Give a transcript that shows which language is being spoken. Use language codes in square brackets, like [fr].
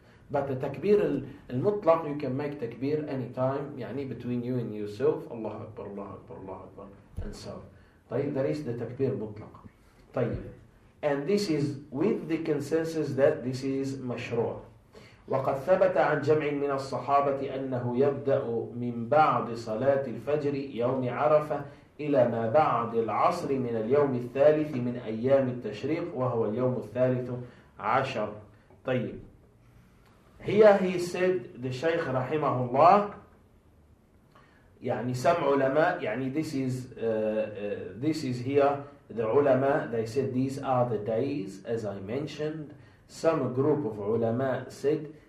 [en] But the takbir al-mutlaq, you can make takbir anytime, يعني between you and yourself, Allah Akbar, Allah Akbar, Allah Akbar, and so. طيب, there is the takbir mutlaq. [ar] طيب. [en] And this is with the consensus that this is mashru'. [ar] وقد ثبت عن جمع من الصحابة أنه يبدأ من بعد صلاة الفجر يوم عرفة إلى ما بعد العصر من اليوم الثالث من أيام التشريق وهو اليوم الثالث عشر. طيب. [en] Here he said, the Shaykh رحمه الله, [ar] يعني سمع علماء, [en] يعني this is here, the علماء, they said these are the days, as I mentioned. Some group of علماء said